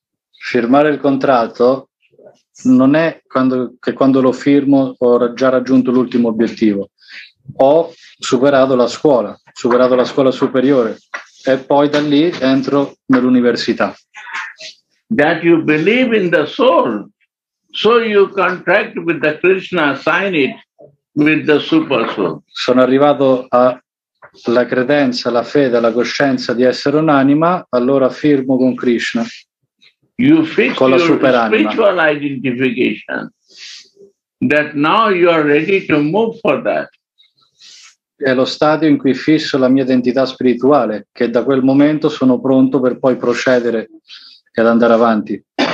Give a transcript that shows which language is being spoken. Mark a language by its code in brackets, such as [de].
[it] Firmare il contratto non è quando lo firmo ho già raggiunto l'ultimo obiettivo. Ho superato la scuola superiore e poi da lì entro nell'università. [en] That you believe in the soul, so you contract with the Krishna, sign it with the super soul. [it] Sono arrivato alla credenza, alla fede, alla coscienza di essere un'anima, allora firmo con Krishna. [en] You fix [it] con la superanima. [en] Your spiritual identification that now you are ready to move for that. [it] È lo stadio in cui fisso la mia identità spirituale, che da quel momento sono pronto per poi procedere ed andare avanti.